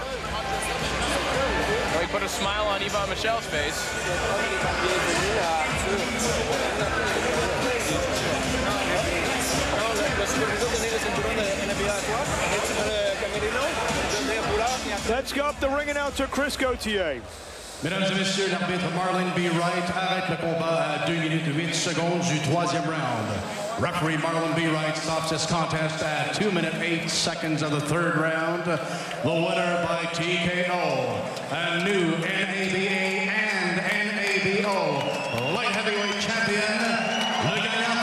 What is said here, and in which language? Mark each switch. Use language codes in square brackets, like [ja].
[en] Well, he put a smile on Yvonne Michelle's face. Let's go up the ring announcer, Chris Gauthier. [fr] Mesdames et messieurs, l'arbitre Marlon B. Wright arrête le combat à 2 minutes 8 secondes du troisième round. [en] Referee Marlon B. Wright stops this contest at 2 minutes 8 seconds of the third round. The winner by TKO, a new NABA and NABO light heavyweight champion.